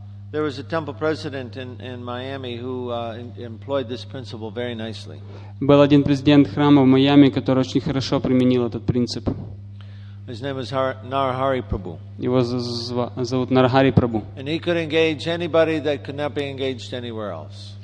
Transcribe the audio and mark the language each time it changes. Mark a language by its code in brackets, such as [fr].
[en] There was a temple president in Miami who employed this principle very nicely. [ru] Был один президент храма в Майами, который очень хорошо применил этот принцип. [en] His name was Narahari Prabhu. [ru] Его зовут Нарахари Прабу. [en] And he could engage anybody that could not be engaged anywhere else.